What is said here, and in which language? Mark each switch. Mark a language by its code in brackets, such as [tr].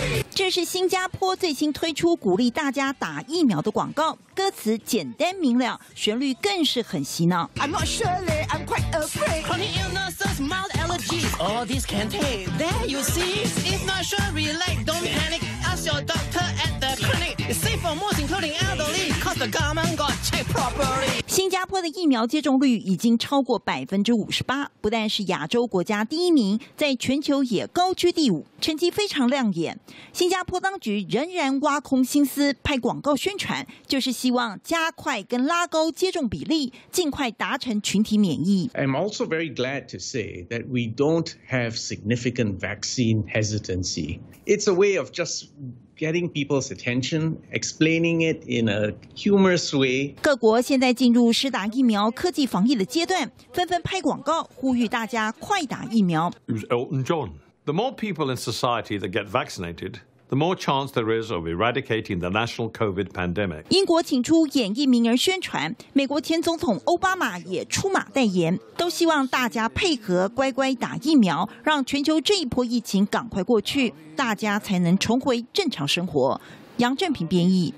[zh] 这是新加坡最新推出鼓励大家打疫苗的广告，歌词简单明了，旋律更是很洗脑。 [en] I'm not sure, I'm quite afraid. Chronic illnesses, mild allergies. All this can take. There you see. If not sure, relax, don't panic. Ask your doctor at the clinic. It's safe for most, including elderly. Cause the government got checked properly. [zh] 新加坡的疫苗接种率已经超过58%，不但是亚洲国家第一名，在全球也高居第五，成绩非常亮眼。新加坡当局仍然挖空心思拍广告宣传，就是希望加快跟拉高接种比例，尽快达成群体免疫。 [en] I'm also very glad to say that we don't have significant vaccine hesitancy. It's a way of just. Getting people's attention, explaining it in a humorous way. [zh] 各国现在进入施打疫苗科技防疫的阶段，纷纷拍广告呼吁大家快打疫苗。 [en] It was Elton John. The more people in society that get vaccinated, the more chance there is of eradicating the national COVID pandemic. [zh] 英国请出演艺名人宣传，美国前总统奥巴马也出马代言，都希望大家配合乖乖打疫苗，让全球这一波疫情赶快过去。大家才能重回正常生活。杨振平编译。